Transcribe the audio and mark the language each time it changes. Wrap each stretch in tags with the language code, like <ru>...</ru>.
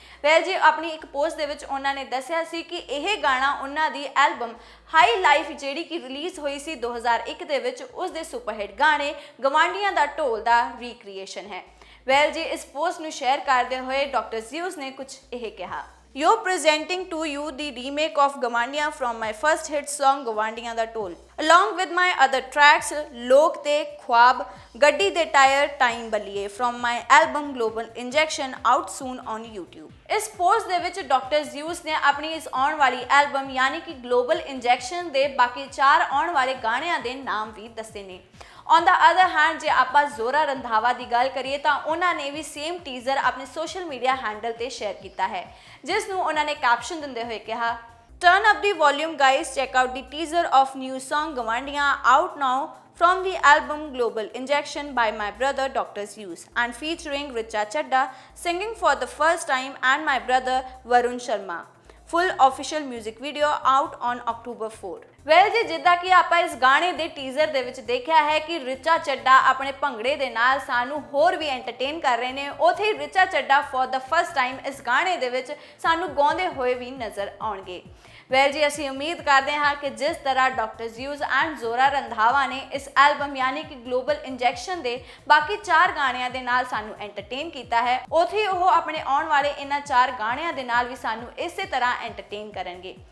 <pa>Well ਜੀ, ਆਪਣੀ ਇੱਕ ਪੋਸਟ ਦੇ ਵਿੱਚ ਉਹਨਾਂ ਨੇ ਦੱਸਿਆ ਸੀ ਕਿ ਇਹ ਗਾਣਾ ਉਹਨਾਂ ਦੀ ਐਲਬਮ ਹਾਈ ਲਾਈਫ, ਜਿਹੜੀ ਕਿ ਰਿਲੀਜ਼ ਹੋਈ ਸੀ 2001 ਦੇ ਵਿੱਚ, ਉਸ ਦੇ ਸੁਪਰਹਿੱਟ ਗਾਣੇ ਗਵਾਂਢੀਆਂ ਦਾ ਢੋਲ ਦਾ ਰੀਕ੍ਰੀਏਸ਼ਨ ਹੈ। ਵੈਲ ਜੀ, ਇਸ ਪੋਸਟ ਨੂੰ ਸ਼ੇਅਰ ਕਰਦੇ ਹੋਏ ਡਾਕਟਰ ਜ਼ਿਊਸ ਨੇ ਕੁਝ ਇਹ ਕਿਹਾ।</pa> <en>You're presenting to you the remake of Gwandia from my first hit song Gwandia da Toll, along with my other tracks Lok Te Khwab, Gaddi De Tire, Time Baliye from my album Global Injection out soon on YouTube.</en> <pa>ਇਸ post ਦੇ ਵਿੱਚ doctor Zeus ਨੇ ਆਪਣੀ ਇਸ ਆਉਣ ਵਾਲੀ album ਯਾਨੀ ਕਿ ਗਲੋਬਲ ਇੰਜੈਕਸ਼ਨ ਦੇ ਬਾਕੀ 4 ਆਉਣ ਵਾਲੇ ਗਾਣਿਆਂ ਦੇ ਨਾਮ ਵੀ ਦੱਸੇ ਨੇ।</pa> <en>on the other hand,</en> <pa>ਜੇ ਆਪਾਂ ਜ਼ੋਰਾ ਰੰਧਾਵਾ ਦੀ ਗੱਲ ਕਰੀਏ ਤਾਂ ਉਹਨਾਂ ਨੇ ਵੀ ਸੇਮ ਟੀਜ਼ਰ ਆਪਣੇ ਸੋਸ਼ਲ ਮੀਡੀਆ ਹੈਂਡਲ 'ਤੇ ਸ਼ੇਅਰ ਕੀਤਾ ਹੈ, ਜਿਸ ਨੂੰ ਉਹਨਾਂ ਨੇ ਕੈਪਸ਼ਨ ਦਿੰਦੇ ਹੋਏ ਕਿਹਾ,</pa> <en>Turn up the volume guys, check out the teaser of new song Gwandhiyan out now from the album Global Injection by my brother Dr. Zeus and featuring Richa Chadda singing for the first time and my brother Varun Sharma. Full official music video out on October 4.</en> <pa>Well ਜੀ, ਜਿੱਦਾਂ ਕਿ ਆਪਾਂ ਇਸ ਗਾਣੇ ਦੇ teaser ਦੇ ਵਿੱਚ ਦੇਖਿਆ ਹੈ ਕਿ ਰਿਚਾ ਚੱਡਾ ਆਪਣੇ ਭੰਗੜੇ ਦੇ ਨਾਲ ਸਾਨੂੰ ਹੋਰ ਵੀ ਐਂਟਰਟੇਨ ਕਰ ਰਹੇ ਨੇ, ਉੱਥੇ ਰਿਚਾ ਚੱਡਾ</pa> <en>for the first time</en> <pa>ਇਸ ਗਾਣੇ ਦੇ ਵਿੱਚ ਸਾਨੂੰ ਗਾਉਂਦੇ ਹੋਏ ਵੀ ਨਜ਼ਰ ਆਉਣਗੇ। ਵੈਲ ਜੀ, ਅਸੀਂ ਉਮੀਦ ਕਰਦੇ ਹਾਂ ਕਿ ਜਿਸ ਤਰ੍ਹਾਂ ਡਾਕਟਰ ਜ਼ਿਊਸ ਐਂਡ ਜ਼ੋਰਾ ਰੰਧਾਵਾ ਨੇ ਇਸ ਐਲਬਮ ਯਾਨੀ ਕਿ ਗਲੋਬਲ ਇੰਜੈਕਸ਼ਨ ਦੇ ਬਾਕੀ 4 ਗਾਣਿਆਂ ਦੇ ਨਾਲ ਸਾਨੂੰ ਐਂਟਰਟੇਨ ਕੀਤਾ ਹੈ, ਉੱਥੇ ਉਹ ਆਪਣੇ ਆਉਣ ਵਾਲੇ ਇਹਨਾਂ 4 ਗਾਣਿਆਂ ਦੇ ਨਾਲ ਵੀ ਸਾਨੂੰ ਇਸੇ ਤਰ੍ਹਾਂ ਐਂਟਰਟੇਨ ਕਰਨਗੇ।</pa>